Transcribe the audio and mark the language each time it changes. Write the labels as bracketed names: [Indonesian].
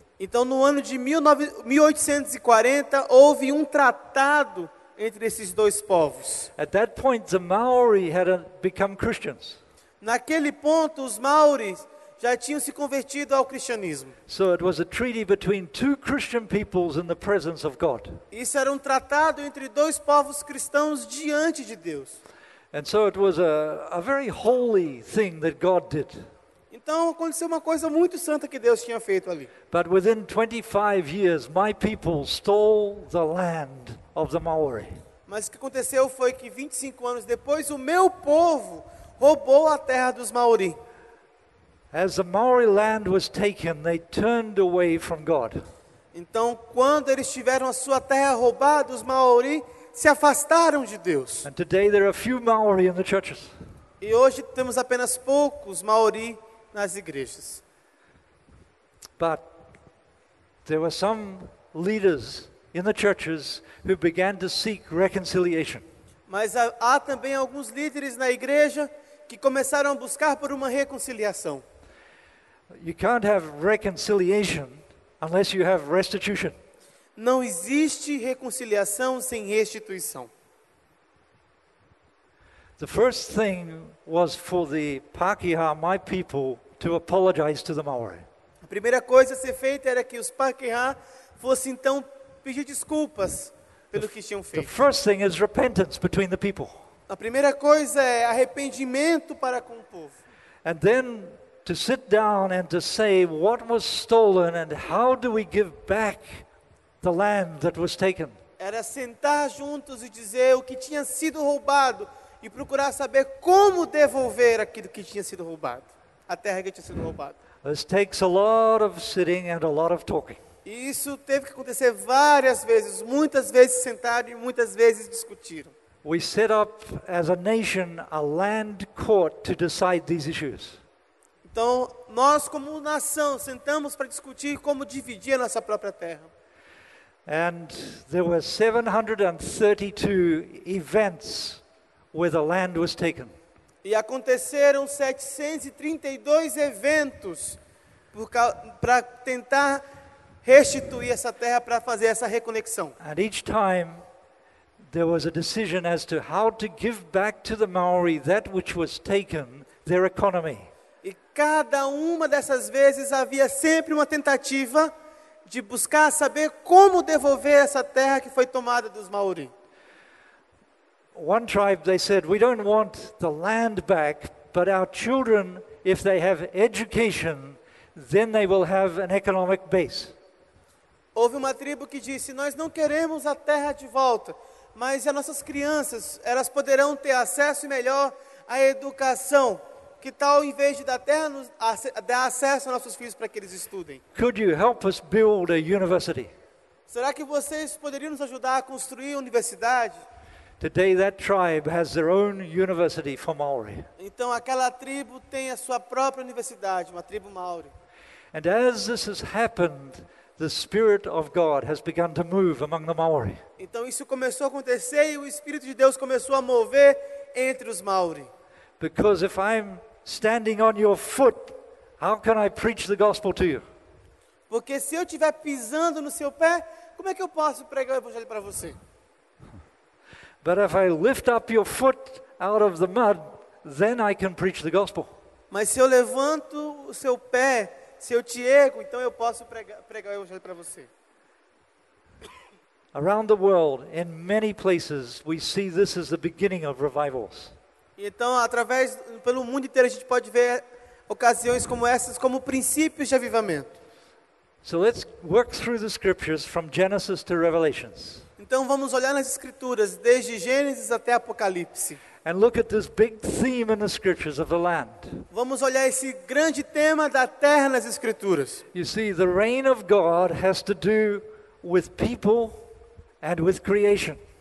[Portuguese] Então no ano de 1840 houve um tratado entre esses dois povos. [English] At that point, the Maori had become Christians. [Portuguese] Naquele ponto, os Maoris já tinham se convertido ao cristianismo. [English] So it was a treaty between two Christian peoples in the presence of God. [Portuguese] Isso era um tratado entre dois povos cristãos diante de Deus. [English] And so it was a very holy thing that God did. [Portuguese] Então aconteceu uma coisa muito santa que Deus tinha feito ali. [English] But within 25 years, my people stole the land of the Maori. [Portuguese] Mas o que aconteceu foi que 25 anos depois o meu povo roubou a terra dos Maori. [English] As the Maori land was taken, they turned away from God. [Portuguese] Então, quando eles tiveram a sua terra roubada, os Maori se afastaram de Deus. [English] And today there are few Maori in the churches. [Portuguese] E hoje temos apenas poucos Maori nas igrejas. [English] But there were some leaders in the churches who began to seek reconciliation. [Portuguese] Mas há também alguns líderes na igreja que começaram a buscar por uma reconciliação. [English] You can't have reconciliation unless you have restitution. [Portuguese] Não existe reconciliação sem restituição. [English] The first thing was for the Pakeha, my people, to apologize to the Maori. [Portuguese] A primeira coisa a ser feita era que os Pakeha fossem então pedir desculpas pelo que tinham feito. [English] The first thing is repentance between the people. [Portuguese] A primeira coisa é arrependimento para com o povo. [English] And then to sit down and to say what was stolen and how do we give back the land that was taken. [Portuguese] Era sentar juntos e dizer o que tinha sido roubado e procurar saber como devolver aquilo que tinha sido roubado, a terra que tinha sido roubada. [English] This takes a lot of sitting and a lot of talking. [Portuguese] E isso teve que acontecer várias vezes, muitas vezes sentaram e muitas vezes discutiram. [English] We set up as a nation a land court to decide these issues. [Portuguese] Então, nós como nação sentamos para discutir como dividir a nossa própria terra. [English] And there were 732 events where the land was taken. [Portuguese] E aconteceram 732 eventos para tentar restituir essa terra, para fazer essa reconexão. [English] And each time there was a decision as to how to give back to the Maori that which was taken, their economy. [Portuguese] E cada uma dessas vezes havia sempre uma tentativa de buscar saber como devolver essa terra que foi tomada dos Maori. [English] One tribe, they said, we don't want the land back, but our children, if they have education, then they will have an economic base. [Portuguese] Houve uma tribo que disse, nós não queremos a terra de volta, mas as nossas crianças, elas poderão ter acesso melhor à educação. Que tal, em vez de dar terra, dar acesso aos nossos filhos para que eles estudem? [English] Could you help us build a university? [Portuguese] Será que vocês poderiam nos ajudar a construir a universidade? [English] Today, that tribe has their own university for Maori. [Portuguese] Então, aquela tribo tem a sua própria universidade, uma tribo Maori. [English] And as this has happened, the Spirit of God has begun to move among the Maori. [Portuguese] Então isso começou a acontecer e o Espírito de Deus começou a mover entre os Maori. [English] Because if I'm standing on your foot, how can I preach the gospel to you? [Portuguese] Porque se eu estiver pisando no seu pé, como é que eu posso pregar o evangelho para você? [English] But if I lift up your foot out of the mud, then I can preach the gospel. [Portuguese] Mas se eu levanto o seu pé se eu te ergo, então eu posso pregar o evangelho para você. [English] Around the world, in many places, we see this as the beginning of revivals. [Portuguese] Então, através, pelo mundo inteiro, a gente pode ver ocasiões como essas como princípios de avivamento. [English] So let's work through the scriptures from Genesis to Revelations. [Portuguese] Então vamos olhar nas escrituras desde Gênesis até Apocalipse. [English] And look at this big theme in the scriptures of the land. [Portuguese] Vamos olhar esse grande tema da terra nas escrituras. [English] You see, the reign of God has to do with people and with creation.